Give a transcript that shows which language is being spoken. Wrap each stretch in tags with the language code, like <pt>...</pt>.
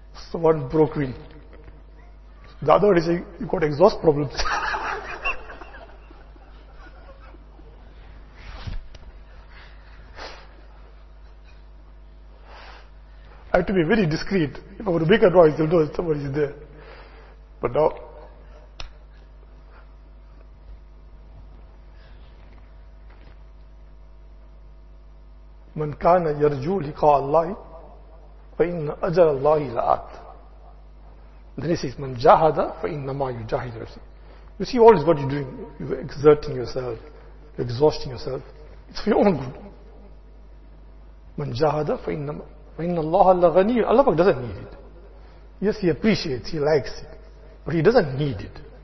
<en>So one broke in. The other one is saying, you got exhaust problems. I have to be very discreet. If I were to make a noise, they'll know somebody is there. But now,</en> <ar>من كان يرجو لقاء الله فإن أجر الله لآت.</ar> <en>Then he says,</en> <ar>من جاهد فإنما يجاهد.</ar> <en>You see all this what you're doing. You're exerting yourself. You're exhausting yourself. It's for your own good.</en> <ar>من جاهد فإنما وَإِنَّ اللَّهَ لَغَنِيٌّ.</ar> <en>Allah Pak doesn't need it. Yes, he appreciates, he likes it. But he doesn't need it.</en>